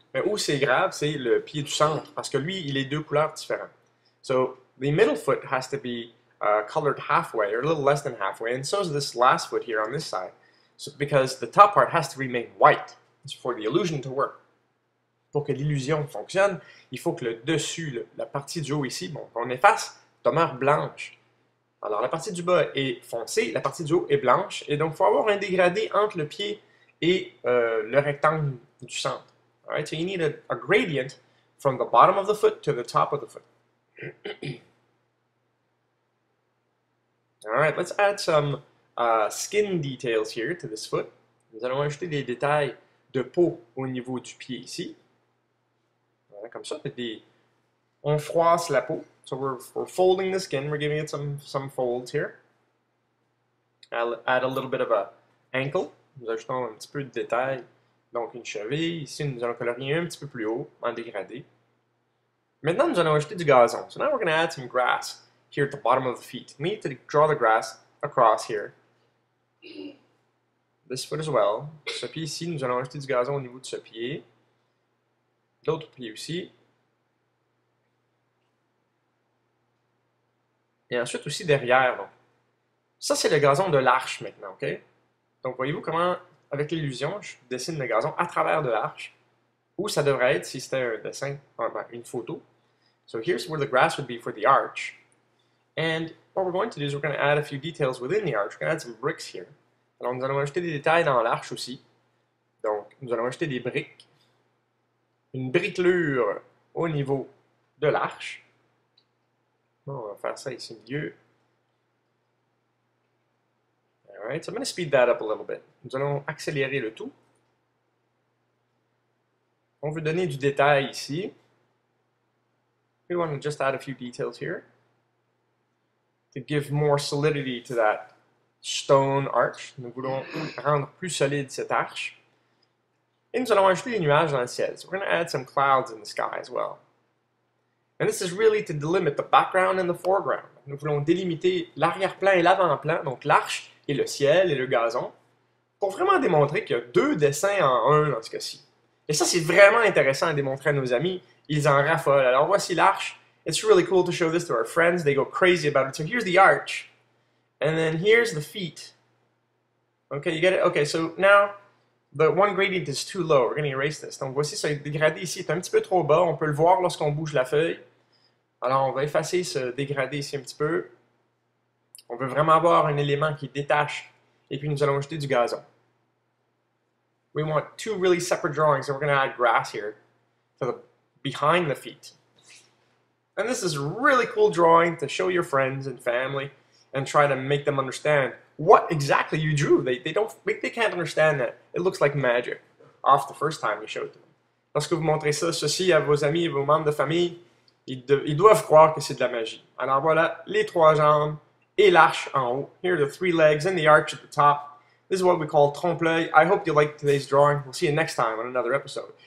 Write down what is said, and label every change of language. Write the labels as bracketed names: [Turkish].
[French] Mais où c'est grave, c'est le pied du centre, parce que lui, il est deux couleurs différentes. [English] So, the middle foot has to be colored halfway, or a little less than halfway, and so is this last foot here on this side. So, because the top part has to remain white, for the illusion to work. [French] Pour que l'illusion fonctionne, il faut que le dessus, la partie du haut ici, bon, qu'on efface, demeure blanche. Alors, la partie du bas est foncée, la partie du haut est blanche, et donc, il faut avoir un dégradé entre le pied et le rectangle du centre. [English] All right, so you need a gradient from the bottom of the foot to the top of the foot. All right, let's add some skin details here to this foot. [French] Nous allons ajouter des détails de peau au niveau du pied ici. Voilà, comme ça, on froisse la peau. [English] So we're folding the skin, we're giving it some folds here. I'll add a little bit of an ankle. [French] Nous ajoutons un petit peu de détails Donc une cheville, ici nous allons colorier un petit peu plus haut, en dégradé. Maintenant nous allons ajouter du gazon. [English] So now we're going to add some grass here at the bottom of the feet. We need to draw the grass across here. This foot as well. [French] Ce pied ici, nous allons ajouter du gazon au niveau de ce pied. D'autres pieds aussi. Et ensuite aussi derrière. Donc. Ça, c'est le gazon de l'arche maintenant, OK? Donc, voyez-vous comment, avec l'illusion, je dessine le gazon à travers de l'arche, où ça devrait être si c'était un dessin, une photo. [English] So here's where the grass would be for the arch. And what we're going to do is we're going to add a few details within the arch. We're going to add some bricks here. [French] Alors, nous allons ajouter des détails dans l'arche aussi. Donc, nous allons ajouter des briques. Une briquelure au niveau de l'arche. Bon, on va faire ça ici au milieu. [English] Alright, so I'm going to speed that up a little bit. [French] Nous allons accélérer le tout. On veut donner du détail ici. [English] We want to just add a few details here to give more solidity to that stone arch. [French] Nous voulons rendre plus solide cette arche. Et nous allons ajouter des nuages dans le ciel. [English] So we're going to add some clouds in the sky as well. And this is really to delimit the background and the foreground. [French] Nous voulons délimiter l'arrière-plan et l'avant-plan, donc l'arche et le ciel et le gazon, pour vraiment démontrer qu'il y a deux dessins en un dans ce cas-ci. Et ça, c'est vraiment intéressant à démontrer à nos amis. Ils en raffolent. Alors voici l'arche. [English] It's really cool to show this to our friends. They go crazy about it. So here's the arch. And then here's the feet. Okay, you get it? Okay, so now the one gradient is too low. We're going to erase this. [French] Donc voici, ce dégradé ici est un petit peu trop bas. On peut le voir lorsqu'on bouge la feuille. Alors on va effacer ce dégradé ici un petit peu. On veut vraiment avoir un élément qui détache. Et puis nous allons ajouter du gazon. [English] We want two really separate drawings. So we're going to add grass here to the behind the feet. And this is a really cool drawing to show your friends and family and try to make them understand what exactly you drew. They can't understand that. It looks like magic off the first time you showed them. [French] Lorsque vous montrez ça, ceci à vos amis et vos membres de famille, ils doivent croire que c'est de la magie. Alors voilà, les trois jambes et l'arche en haut. [English] Here are the three legs and the arch at the top. This is what we call trompe-l'œil. I hope you like today's drawing. We'll see you next time on another episode.